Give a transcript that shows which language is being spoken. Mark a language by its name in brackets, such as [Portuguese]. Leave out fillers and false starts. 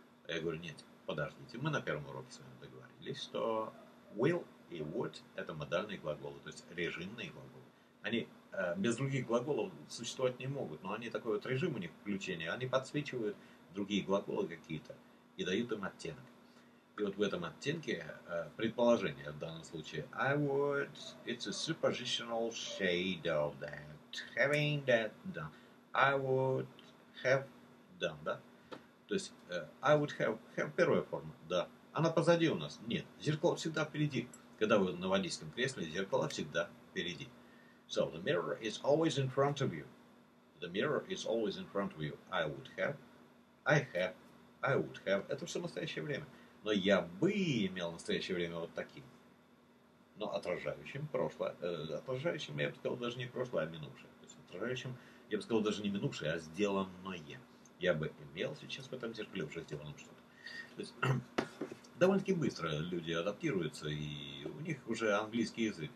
[Russian] Я говорю, нет, подождите, мы на первом уроке с вами договорились, что will и would — это модальные глаголы, то есть режимные глаголы. Они без других глаголов существовать не могут, но они такой вот режим у них включения, они подсвечивают другие глаголы какие-то и дают им оттенок. И вот в этом оттенке предположение в данном случае. [English] I would, it's a superpositional shade of that, having that done. I would have done, [Russian] да? То есть, [English] I would have [Russian] первая форма, да. Она позади у нас? Нет. Зеркало всегда впереди. Когда вы на водительском кресле, зеркало всегда впереди. [English] So, the mirror is always in front of you. The mirror is always in front of you. I would have, I have, I would have. [Russian] Это все настоящее время. Но я бы имел настоящее время вот таким. Но отражающим прошлое. Отражающим, я бы сказал, даже не прошлое, а минувшее. То есть отражающим, я бы сказал, даже не минувшее, а сделанное. Я бы имел сейчас в этом зеркале уже сделанное что-то. То есть довольно-таки быстро люди адаптируются, и у них уже английский язык.